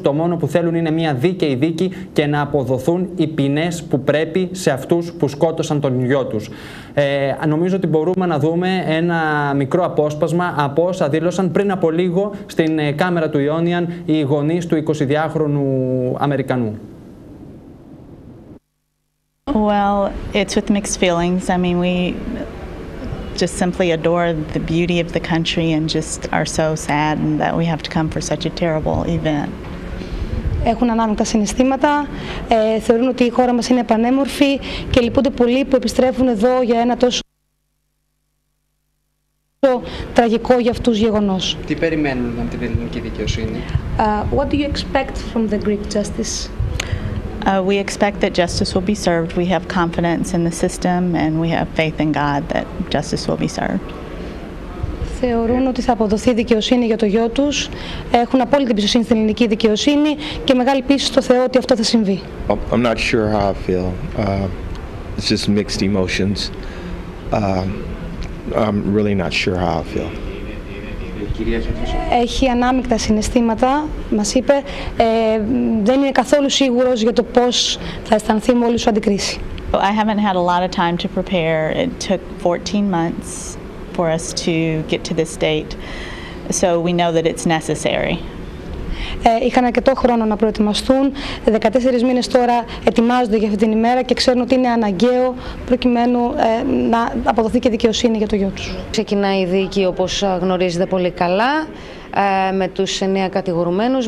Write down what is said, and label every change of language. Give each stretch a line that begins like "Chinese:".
Greek: Το μόνο που θέλουν είναι μια δίκαιη δίκη και να αποδοθούν οι ποινές που πρέπει σε αυτούς που σκότωσαν τον γιο τους. Νομίζω ότι μπορούμε να δούμε ένα μικρό απόσπασμα από όσα δήλωσαν πριν από λίγο στην κάμερα του Ιόνιαν οι γονείς του 22χρονου Αμερικανού.
English: Well, it's with mixed feelings. I mean, we just simply adore the beauty of the country and just are so sad that we have to come for such a terrible event.
Greek: Έχουν ανάλογα συναισθήματα, θεωρούν ότι η χώρα μας είναι πανέμορφη και λυπούνται πολύ που επιστρέφουν εδώ για ένα τόσο τραγικό για αυτούς γεγονός. Τι περιμένουν από την ελληνική δικαιοσύνη?
English: What do you expect from the Greek justice? We expect that justice will be served. We have confidence in the system and we have faith in God that justice will be served.
Greek: Θεωρούν ότι θα αποδοθεί δικαιοσύνη για το γιο τους. Έχουν απόλυτη εμπιστοσύνη στην ελληνική δικαιοσύνη και μεγάλη πίστη στο Θεό ότι αυτό θα συμβεί.
English: I'm not sure how I feel. It's just mixed emotions. I'm really not sure how I feel.
Greek: Έχει ανάμεικτα συναισθήματα, μας είπε. Δεν είναι καθόλου σίγουρος για το πώς θα αισθανθεί μόλις σου αντικρίσει.
English: I haven't had a lot of time to prepare. It took 14 months. For us to get to this date, so we know that it's necessary.
Greek: Είχαν αρκετό χρόνο να προετοιμαστούν. 14 μήνες τώρα ετοιμάζονται για αυτή την ημέρα και ξέρουν ότι είναι αναγκαίο προκειμένου να αποδοθεί και δικαιοσύνη για το γιο τους. Ξεκινάει η δίκη, όπως γνωρίζετε πολύ καλά, με τους 9 κατηγορουμένους.